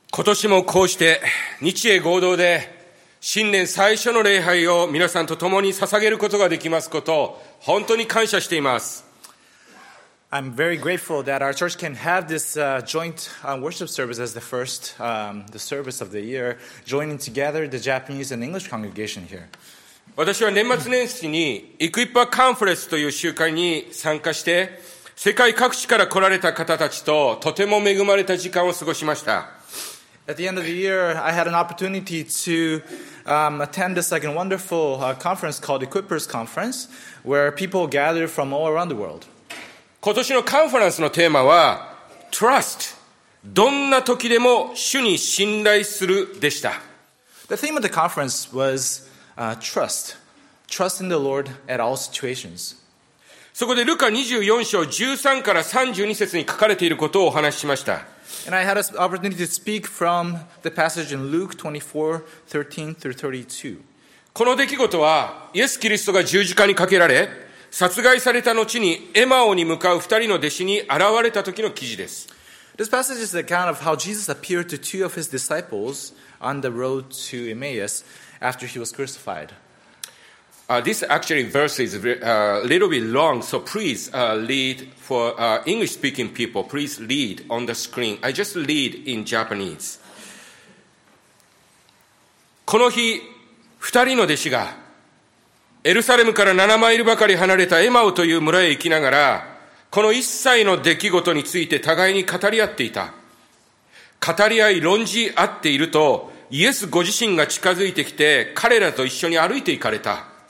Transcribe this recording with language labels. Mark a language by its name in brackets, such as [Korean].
[Japanese] 今年もこうして日英合同で新年最初の礼拝を皆さんと共に捧げることができますことを本当に感謝しています。 [English] I'm very grateful that our church can have this joint worship service as the first the service of the year, joining together the Japanese and English congregation here. [Japanese] 私は年末年始にイクイッパーカンフレンスという集会に参加して、世界各地から来られた方たちととても恵まれた時間を過ごしました。 [English] At the end of the year, I had an opportunity to attend this like a wonderful conference called Equippers Conference, where people gathered from all around the world. [Japanese] 今年のカンファレンスのテーマは Trust. どんな時でも主に信頼するでした。 [English] The theme of the conference was trust. Trust in the Lord at all situations. [Japanese] そこでルカ24章13から32節に書かれていることをお話ししました。 [English] And I had an opportunity to speak from the passage in Luke 24:13-32. [Japanese] この出来事はイエス・キリストが十字架にかけられ、殺害された後にエマオに向かう二人の弟子に現れた時の記事です。 [English] This passage is the account of how Jesus appeared to two of his disciples on the road to Emmaus after he was crucified. This actually verse is a little bit long, so please read for English speaking people. Please read on the screen. I just read in Japanese. [Japanese] この日、二人の弟子がエルサレムから7マイルばかり離れたエマオという村へ行きながら、この一切の出来事について互いに語り合っていた。語り合い論じ合っていると、イエスご自身が近づいてきて彼らと一緒に歩いて行かれた。